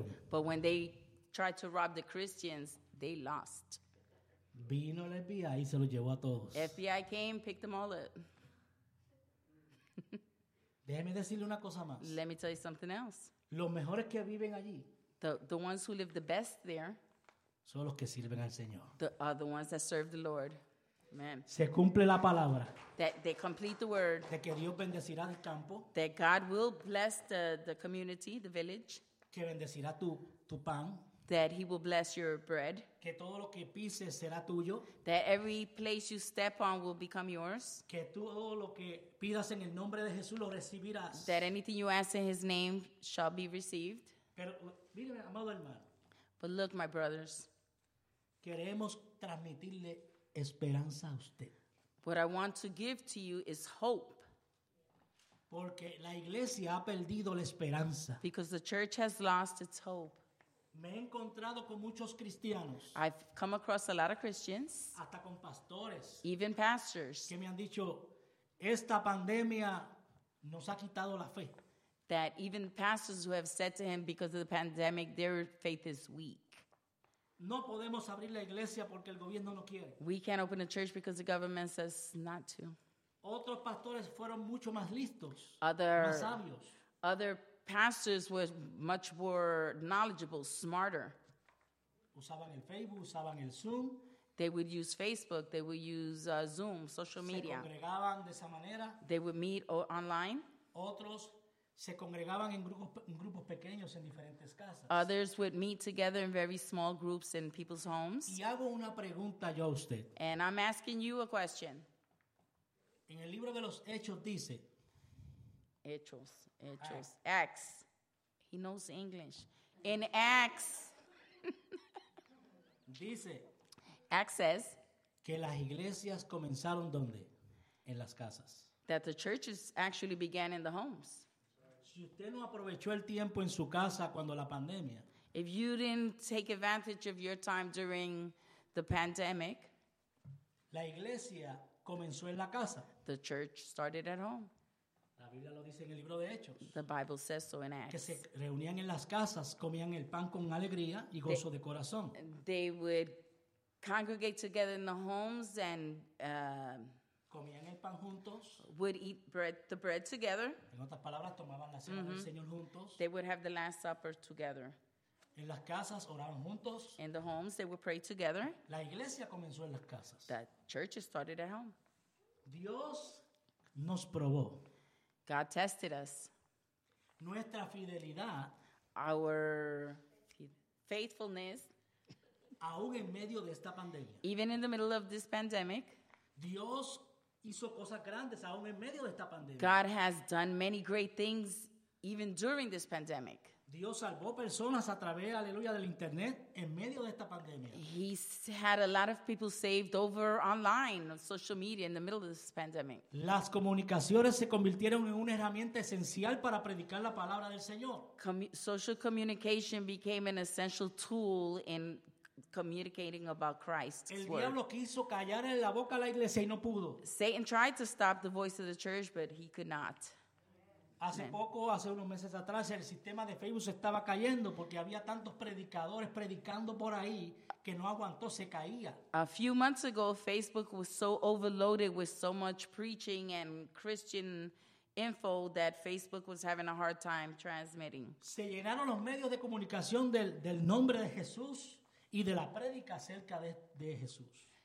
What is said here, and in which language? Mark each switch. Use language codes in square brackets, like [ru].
[en] But when they tried to rob the Christians, they lost. [es] Vino el FBI y se los llevó a todos. [en] FBI came, picked them all up. [es] Déjeme decirle una cosa más. [en] Let me tell you something else. [es] Los mejores que viven allí. [en] The ones who live the best there. [es] Son los que sirven al Señor. [en] Are the ones that serve the Lord. Amen. [es] Se cumple la palabra. [en] That they complete the word. [es] De que Dios bendecirá el campo. [en] That God will bless the community, the village. [es] Que bendecirá tu pan. [en] That he will bless your bread. [es] Que todo lo que pises será tuyo. [en] That every place you step on will become yours. [es] Que todo lo que pidas en el nombre de Jesús lo recibirás. [en] That anything you ask in his name shall be received. [es] Pero, mire, amado hermano, [en] but look, my brothers. [es] Queremos transmitirle esperanza a usted. [en] What I want to give to you is hope. [es] Porque la iglesia ha perdido la esperanza. [en] Because the church has lost its hope. [es] Me he encontrado con muchos cristianos. [en] I've come across a lot of Christians. [es] Hasta con pastores. [en] Even pastors. [es] Que me han dicho, esta pandemia nos ha quitado la fe. [en] That even pastors who have said to him, because of the pandemic, their faith is weak. [es] No podemos abrir la iglesia porque el gobierno no quiere. [en] We can't open a church because the government says not to. [es] Otros pastores fueron mucho más listos. Más sabios. [en] Other pastors were much more knowledgeable, smarter. [es] Usaban el Facebook, usaban el Zoom. [en] They would use Facebook, they would use Zoom, social media. [es] Se congregaban de esa manera. [en] They would meet online. [es] Otros se congregaban en grupos pequeños en diferentes casas. [en] Others would meet together in very small groups in people's homes. [es] Y hago una pregunta yo a usted. [en] And I'm asking you a question. [es] En el libro de los Hechos dice, [en] Hechos. Acts. He knows English. In Acts. [es] Dice. [en] Acts says. [es] Que las iglesias comenzaron donde? En las casas. [en] That the churches actually began in the homes. [es] Si usted no aprovechó el tiempo en su casa cuando la pandemia. [en] If you didn't take advantage of your time during the pandemic. [es] La iglesia comenzó en la casa. [en] The church started at home. [es] La Biblia lo dice en el libro de Hechos. [en] The Bible says so in Acts. [es] Que se reunían en las casas, comían el pan con alegría y gozo de corazón. [en] They would congregate together in the homes and [es] comían el pan juntos. [en] Would eat the bread together. [es] En otras palabras, tomaban la cena del Señor juntos. [en] They would have the Last Supper together. [es] En las casas oraban juntos. [en] In the homes they would pray together. [es] La iglesia comenzó en las casas. [en] The church started at home. [es] Dios nos probó. [en] God tested us. [es] Nuestra fidelidad, [en] our faithfulness, [es] aún en medio de esta pandemia. [en] Even in the middle of this pandemic, [es] Dios hizo cosas grandes aún en medio de esta pandemia. [en] God has done many great things even during this pandemic. [es] Dios salvó personas a través, aleluya, del internet en medio de esta pandemia. [en] He's had a lot of people saved over online, on social media, in the middle of this pandemic. [es] Las comunicaciones se convirtieron en una herramienta esencial para predicar la palabra del Señor. [en] Social communication became an essential tool in communicating about Christ's [es] El diablo [en] word. [es] Quiso callar en la boca a la iglesia y no pudo. [en] Satan tried to stop the voice of the church, but he could not. [es] Hace poco, hace unos meses atrás, el sistema de Facebook se estaba cayendo porque había tantos predicadores predicando por ahí que no aguantó, se caía. [en] A few months ago, Facebook was so overloaded with so much preaching and Christian info that Facebook was having a hard time transmitting. [es] Se llenaron los medios de comunicación del nombre de Jesús y de la prédica acerca de Jesús.